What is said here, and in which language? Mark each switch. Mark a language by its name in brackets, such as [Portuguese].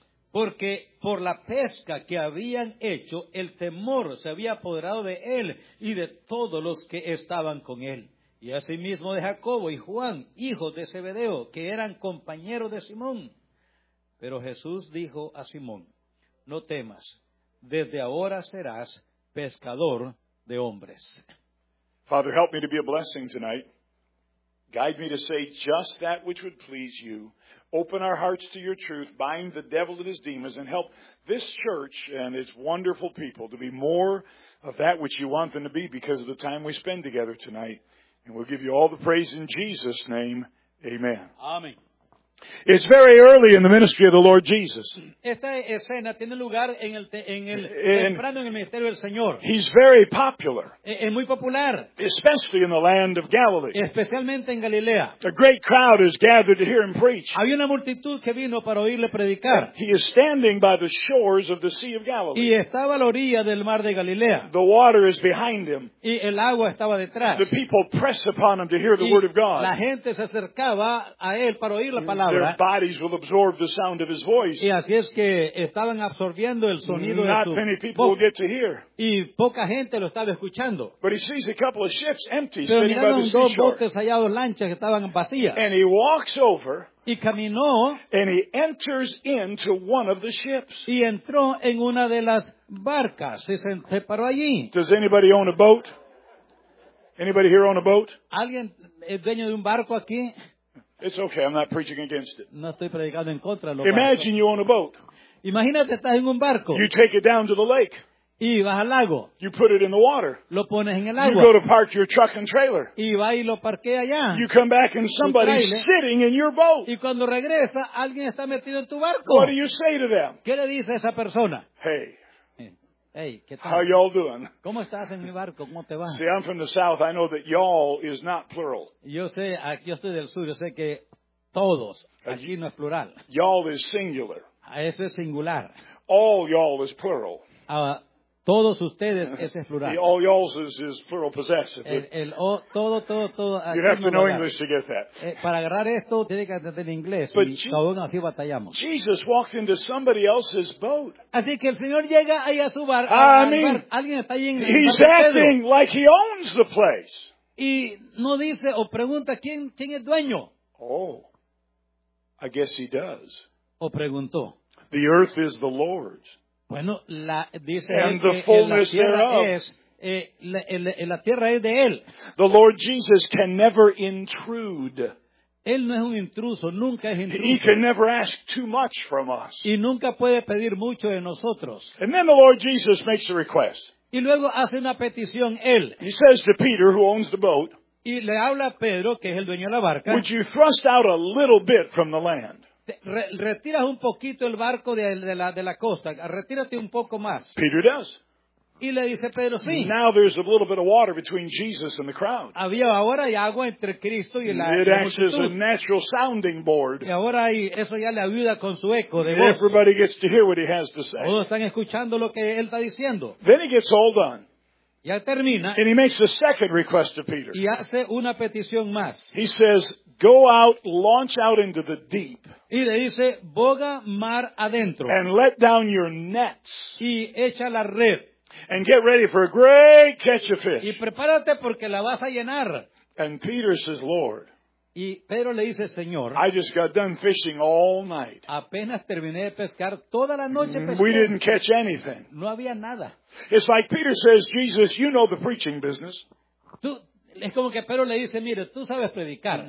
[Spanish] Porque por la pesca que habían hecho, el temor se había apoderado de él y de todos los que estaban con él. Y asimismo de Jacobo y Juan, hijos de Zebedeo, que eran compañeros de Simón. Pero Jesús dijo a Simón, «No temas, desde ahora serás pescador de hombres». [English] Father, help me to be a blessing tonight. Guide me to say just that which would please you. Open our hearts to your truth. Bind the devil and his demons. And help this church and its wonderful people to be more of that which you want them to be because of the time we spend together tonight. And we'll give you all the praise in Jesus' name. Amen. Amen. It's very early in the ministry of the Lord Jesus. [Spanish] Esta escena tiene lugar en el temprano en el ministerio del Señor. [English] He's very popular. [Spanish] Es muy popular. [English] Especially in the land of Galilee. [Spanish] Especialmente en Galilea. [English] A great crowd is gathered to hear him preach. [Spanish] Había una multitud que vino para oírle predicar. [English] He is standing by the shores of the Sea of Galilee. [Spanish] Y estaba a la orilla del mar de Galilea. [English] The water is behind him. [Spanish] Y el agua estaba detrás. [English] The people press upon him to hear the word of God. [Spanish] La gente se acercaba a él para oír la palabra. [English] Their bodies will absorb the sound of his voice. [Spanish] Y así es que estaban absorbiendo el sonido de su [English] voz. Not many people will get to hear. [Spanish] Y poca gente lo estaba escuchando. [English] But he sees a couple of ships empty, [Spanish] pero [English] sitting by the seashore. [Spanish] Dos botes allá, dos lanchas que estaban vacías. [English] And he walks over. [Spanish] Y caminó. [English] And he enters into one of the ships. [Spanish] Y entró en una de las barcas. Se paró allí. [English] Does anybody own a boat? Anybody here own a boat? [Spanish] ¿Alguien es dueño de un barco aquí? [English] It's okay, I'm not preaching against it. [Spanish] No estoy predicando en contra de los [English] barcos. Imagine you own a boat. [Spanish] Imagínate, estás en un barco. [English] You take it down to the lake. [Spanish] Y vas al lago. [English] You put it in the water. [Spanish] Lo pones en el agua. [English] You go to park your truck and trailer. [Spanish] Y va y lo parquea allá. [English] You come back and somebody's sitting in your boat. [Spanish] Y cuando regresa, alguien está metido en tu barco. [English] What do you say to them? [Spanish] ¿Qué le dice a esa persona? [English] Hey. [Spanish] Hey, ¿qué tal? [English] How y'all doing? [Spanish] ¿Cómo estás en mi barco? ¿Cómo te va? [English] See, I'm from the south. I know that y'all is not plural. [Spanish] Yo sé, aquí estoy del sur. Yo sé que todos aquí no es plural. [English] Y'all is singular. [Spanish] Eso es singular. [English] All y'all is plural. [Spanish] Todos ustedes, ese es plural. [English] The all y'alls is plural possessive. [Spanish] El todo. [English] You have to know English to get that. [Spanish] Para agarrar esto, tiene que entender inglés. Aún así batallamos. [English] Jesus walked into somebody else's boat. [Spanish] Así que el Señor llega ahí a su bar. Alguien está ahí en el [English] He's acting like he owns the place. [Spanish] Y no dice o pregunta quién es dueño. [English] Oh, I guess he does. [Spanish] O preguntó. [English] The earth is the Lord's. [Spanish] Bueno, dice él que la tierra es, la tierra es de él. [English] The Lord Jesus can never intrude. [Spanish] Él no es un intruso, nunca es intruso. [English] He can never ask too much from us. [Spanish] Y nunca puede pedir mucho de nosotros. [English] And then the Lord Jesus makes a request. [Spanish] Y luego hace una petición él. [English] He says to Peter, who owns the boat, [Spanish] y le habla a Pedro, que es el dueño de la barca, [English] would you thrust out a little bit from the land? [Spanish] Retiras un poquito el barco de la costa. Retírate un poco más. [English] Peter does. [Spanish] Y le dice Pedro, sí. [English] Now there's a little bit of water between Jesus and the crowd. [Spanish] Había ahora hay agua entre Cristo y la [English] It acts [Spanish] multitud. [English] As a natural sounding board. [Spanish] Y ahora eso ya le ayuda con su eco de voz. [English] Everybody gets to hear what he has to say. [Spanish] Todos están escuchando lo que él está diciendo. [English] Then he gets all done. [Spanish] Ya termina. [English] And he makes a second request to Peter. [Spanish] Y hace una petición más. [English] He says, go out, launch out into the deep. [Spanish] Y le dice, boga mar adentro. [English] And let down your nets. [Spanish] Y echa la red. [English] And get ready for a great catch of fish. [Spanish] Y prepárate porque la vas a llenar. [English] And Peter says, Lord. [Spanish] Y Pedro le dice, Señor. [English] I just got done fishing all night. [Spanish] Apenas terminé de pescar toda la noche pesqué. [English] We didn't catch anything. [Spanish] No había nada. [English] It's like Peter says, Jesus, you know the preaching business. [Spanish] Es como que Pedro le dice, mire, tú sabes predicar.